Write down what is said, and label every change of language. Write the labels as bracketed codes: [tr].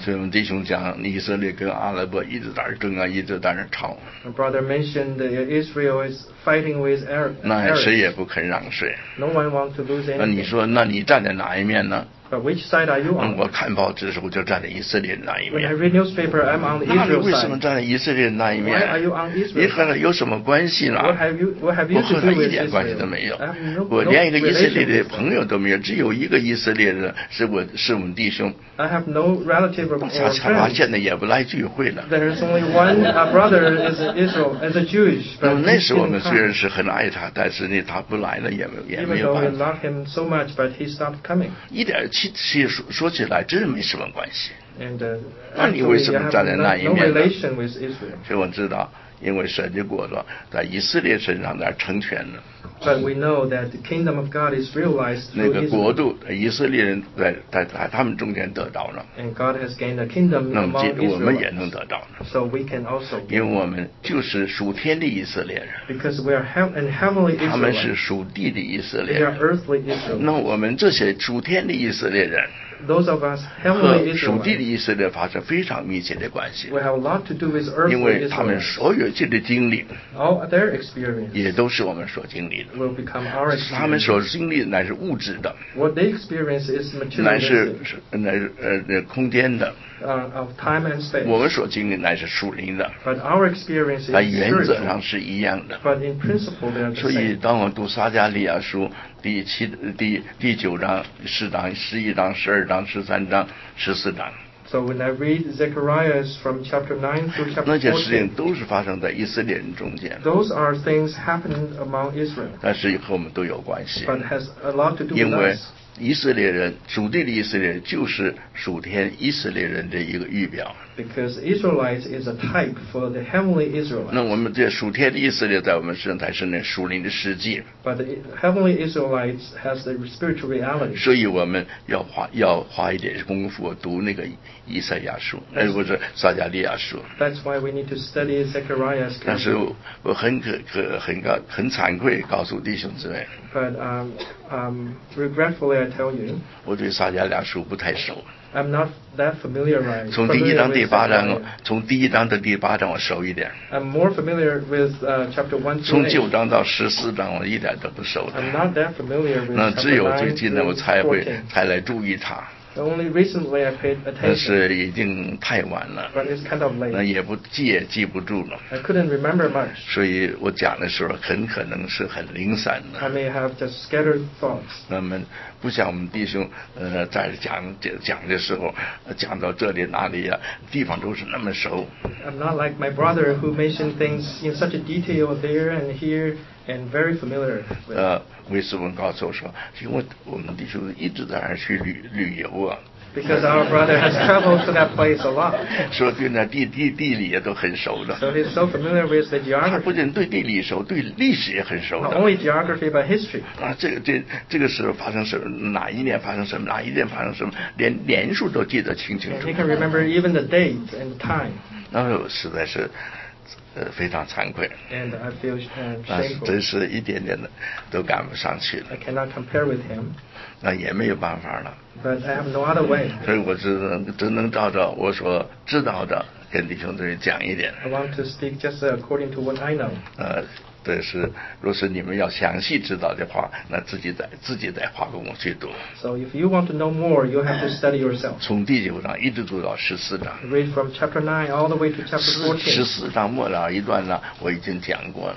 [zh] 所以我们弟兄讲，以色列跟阿拉伯一直在那争啊，一直在那吵。 [en] My brother mentioned that Israel is fighting with Arab. [zh] 那谁也不肯让谁。 [en] No one wants to lose anything. [zh] 那你说，那你站在哪一面呢？ [en] But which side are you on? [zh] 我看报纸的时候就站在以色列那一面。 [en] When I read newspaper, I'm on the Israel side. [zh] 那你为什么站在以色列那一面？ [en] Why are you on Israel side? [zh] 你和他有什么关系呢？ [en] What have you to do with Israel? [zh] 我和他一点关系都没有。 [en] No, [zh] 我连一个以色列的朋友都没有，只有一个以色列人是我们弟兄。 [en] I have no relative or friends. [zh] 他现在也不来聚会了。 [en] There is only one brother is Israel as a Jewish. [zh] 那时我们虽然是很爱他，但是呢，他不来了也没有办法。 [en] Even though we love him so much, but he stopped coming. [zh] 一点。其实 说起来真的没什么关系。 [en] And, [zh] 那你为什么站在那一面呢？所以我知道，因为神的国度在以色列身上在成全呢。 [en] But we know that the kingdom of God is realized through Israel. [zh] 那个国度，以色列人在他们中间得到了。 [en] And God has gained a kingdom among Israel. [zh] 那么我们也能得到呢。 [en] So we can also. [zh] 因为我们就是属天的以色列人。 [en] Because we are heavenly Israel. [zh] 他们是属地的以色列人。 [en] They are earthly Israel. [zh] 那我们这些属天的以色列人。 [en] Those of us heavenly Israel. [zh] 和属地的以色列发生非常密切的关系。 [en] We have a lot to do with earthly Israel. [zh] 因为他们所有的经历。 [en] All their experience. [zh] 也都是我们所经历的。 [en] Will become our experience. [zh] 他们所经历的乃是物质的。 [en] What they experience is material. [zh] 乃是空间的。 [en] Of time and space. [zh] 我们所经历乃是属灵的。 [en] But our experience is spiritual. [zh] 原则上是一样的。 [en] But in principle, they are the same. [zh] 所以，当我读撒迦利亚书第九章、四章、十一章、十二章、十三章、十四章。 [en] So when I read Zechariah from chapter 9 through chapter 14, [zh] 那些事情都是发生在以色列人中间。 [en] Those are things happening among Israel. [zh] 但是和我们都有关系。 [en] But has a lot to do with us. [zh] 因为以色列人，属地的以色列人就是属天以色列人的一个预表。 [en] Because Israelites is a type for the heavenly Israelites. [zh] 那我们这属天的以色列在我们身上才是那属灵的实际。 [en] But the heavenly Israelites has the spiritual reality. [zh] 所以我们要花一点功夫读那个以赛亚书，而不是撒加利亚书。 [en] That's why we need to study Zechariah's. [zh] 但是我很惭愧告诉弟兄姊妹。 [en] But regretfully, I tell you. [zh] 我对撒加利亚书不太熟。 [en] I'm not that familiarized. [zh] 从第一章第八章，从第一章到第八章，我熟一点。 [en] I'm more familiar with chapter 1 to 8. [zh] 从九章到十四章，我一点都不熟的。 [en] I'm not that familiar with. [zh] 那只有最近呢，我才来注意它。 [en] Only recently I paid attention. [zh] 但是已经太晚了。 [en] But it's kind of late. [zh] 那也不记也记不住了。 [en] I couldn't remember much. [zh] 所以我讲的时候很可能是很零散的。 [en] I may have just scattered thoughts. [zh] 那么不像我们弟兄，在讲的时候，讲到这里哪里呀、啊，地方都是那么熟。 [en] I'm not like my brother who mentioned things in such a detail there and here. And very familiar with. [zh] 魏斯文告诉我说，因为我们弟兄一直在那儿去旅游啊。 [en] Because our brother has traveled to that place a lot. [zh] 说对那地理也都很熟的。 [en] So he's so familiar with the geography. [zh] 他不仅对地理熟，对历史也很熟的。 [en] Not only geography but history. [zh] 啊，这个时候发生什么？哪一年发生什么？哪一年发生什么？连年数都记得清清楚楚。 [en] And he can remember even the date and time. [zh] 那实在是。非常惭愧，那真是一点点的都赶不上去了。 [en] I cannot compare with him. [zh] 那也没有办法了。 [en] But I have no other way. [zh] 所以我只能照着我所知道的跟弟兄们讲一点。 [en] I want to speak just according to what I know. [zh] 但是若是你们要详细知道的话，那自己再花功夫去读。 [en] So if you want to know more, you have to study yourself. [zh] 从第九章一直读到十四章。 [en] Read from chapter 9 all the way to chapter 14. [zh] 十四章末了一段呢，我已经讲过了。